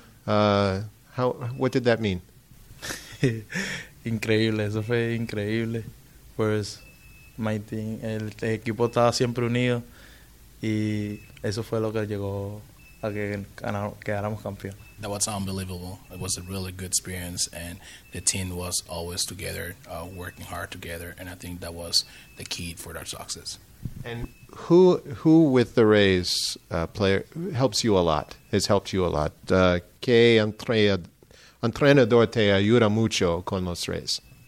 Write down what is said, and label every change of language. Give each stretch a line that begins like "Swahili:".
English: What did that mean?
Spanish: Increíble, eso fue increíble. Pues
English: my team,
Spanish: el equipo estaba siempre unido y eso fue lo que llegó a que quedáramos campeón.
English: That was unbelievable. It was a really good experience, and the team was always together, working hard together, and I think that was the key for our success. And who with the Rays player helps you a lot, has helped you a lot?
Spanish: ¿Qué entrenador te ayuda mucho con los Rays?